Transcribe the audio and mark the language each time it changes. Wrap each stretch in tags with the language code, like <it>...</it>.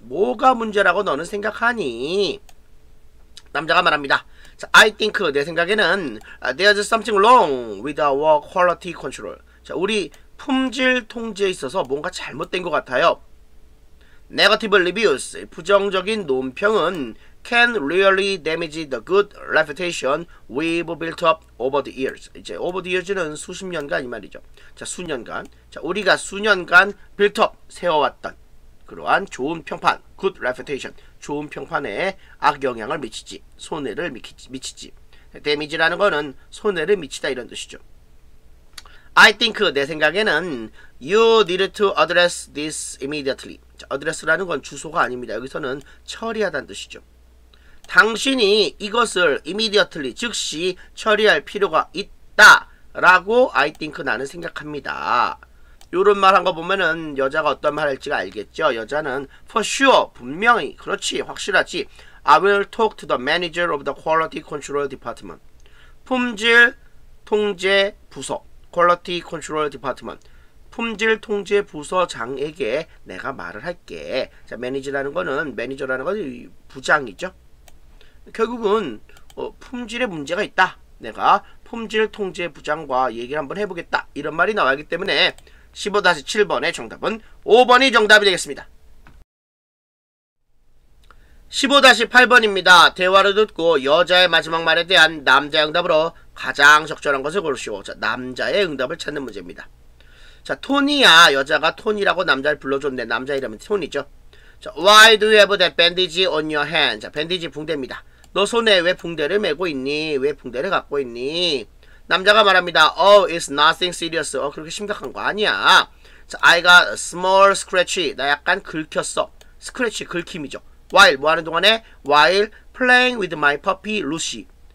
<ko>뭐가 문제라고 너는 생각하니? 남자가 말합니다.</ko> <en>자, I think,</en> <ko>내 생각에는</ko> <en>there's something wrong with our quality control.</en> <ko>자, 우리 품질 통제에 있어서 뭔가 잘못된 것 같아요.</ko> <en>Negative reviews,</en> <ko>부정적인 논평은</ko> <en>can really damage the good reputation we've built up over the years.</en> <ko>이제</ko> <en>over the years</en> <ko>는 수십 년간 이 말이죠. 자, 수년간. 자, 우리가 수년간</ko> <en>built up</en> <ko>세워왔던 그러한 좋은 평판,</ko> <en>good reputation,</en> <ko>좋은 평판에 악영향을 미치지, 손해를 미치지. damage라는 거는 손해를 미치다 이런 뜻이죠.</ko> <en>I think,</en> <ko>내 생각에는</ko> <en>you need to address this immediately.</en> <ko>address라는 건 주소가 아닙니다. 여기서는 처리하다는 뜻이죠. 당신이 이것을 immediately, 즉시 처리할 필요가 있다 라고</ko> <en>I think,</en> <ko>나는 생각합니다. 요런 말한 거 보면은 여자가 어떤 말 할지가 알겠죠. 여자는</ko> <en>for sure,</en> <ko>분명히, 그렇지, 확실하지.</ko> <en>I will talk to the manager of the quality control department.</en> <ko>품질 통제 부서.</ko> <en>Quality Control Department,</en> <ko>품질 통제 부서장에게 내가 말을 할게. 자, 매니저라는 거는 매니저라는 건 부장이죠. 결국은 품질에 문제가 있다. 내가 품질 통제 부장과 얘기를 한번 해보겠다. 이런 말이 나와야기 때문에 15-7번의 정답은 5번이 정답이 되겠습니다. 15-8번입니다. 대화를 듣고 여자의 마지막 말에 대한 남자의 응답으로 가장 적절한 것을 고르시오. 자, 남자의 응답을 찾는 문제입니다. 자, 토니야. 여자가 토니라고 남자를 불러줬는데 남자 이름은 토니죠.</ko> <en>자, Why do you have that bandage on your hand?</en> <ko>자, 밴디지 붕대입니다. 너 손에 왜 붕대를 메고 있니? 왜 붕대를 갖고 있니? 남자가 말합니다.</ko> <en>Oh, it's nothing serious.</en> <ko>그렇게 심각한 거 아니야.</ko> <en>자, I got a small scratch.</en> <ko>나 약간 긁혔어. 스크래치, 긁힘이죠.</ko> <en>While,</en> <ko>뭐하는 동안에?</ko> <en>While playing with my puppy, Lucy.</en>